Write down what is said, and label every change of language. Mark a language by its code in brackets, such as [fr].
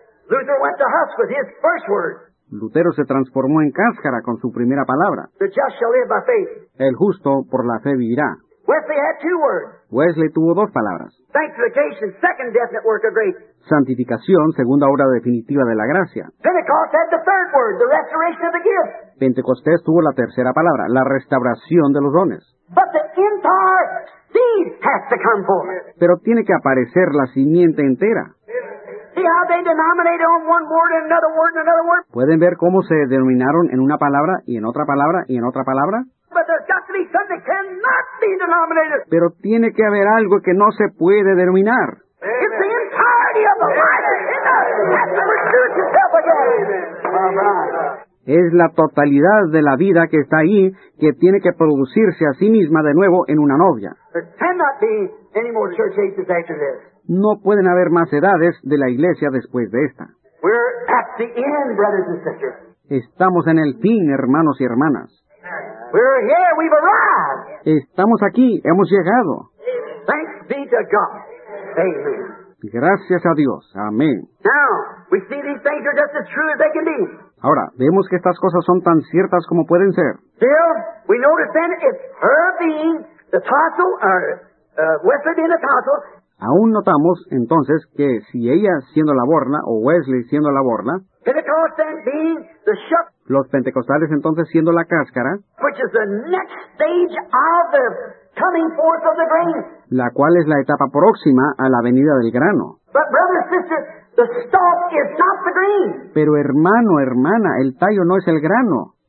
[en] Luther went to husk with his first word. [es] Lutero se transformó en cáscara con su primera palabra. [en] The just shall live by faith. [es] El justo por la fe vivirá. [en] Wesley had two words. [es] Wesley tuvo dos palabras. [en] Sanctification, second definite work of grace. [es] Santificación, segunda obra definitiva de la gracia. [en] Pentecost had the third word, the restoration of the gift. [es] Pentecostés tuvo la tercera palabra, la restauración de los dones. [en] But the entire seed has to come forth. [es] Pero tiene que aparecer la simiente entera. [en] See how they denominated on one word and another word and another word? [es] ¿Pueden ver cómo se denominaron en una palabra y en otra palabra y en otra palabra? [en] But there's got to be something that cannot be denominated. [es] Pero tiene que haber algo que no se puede denominar. [en] It's the entirety of the life. It doesn't have to reduce itself again. [es] Es la totalidad de la vida que está ahí que tiene que producirse a sí misma de nuevo en una novia. [en] There cannot be any more church ages after this. [es] No pueden haber más edades de la iglesia después de esta. [en] We're at the end, brothers and sisters. [es] Estamos en el fin, hermanos y hermanas. [en] We're here, we've arrived. [es] Estamos aquí, hemos llegado. [en] Thanks be to God. Amen. [es] Gracias a Dios. Amén. [en] Now, we see these things are just as true as they can be. [es] Ahora, vemos que estas cosas son tan ciertas como pueden ser. [en] Still, we notice then it's her being the tassel, or Wesley being the tassel. [es] Aún notamos, entonces, que si ella siendo la borla, o Wesley siendo la borla, [en] Pentecost then being the shuck. [es] Los pentecostales entonces siendo la cáscara, [en] which is the next stage of the coming forth of the grain. [es] La cual es la etapa próxima a la venida del grano. [en] But brother, sister, the stalk is not the grain. [es] Pero hermano, hermana, el tallo no es el grano.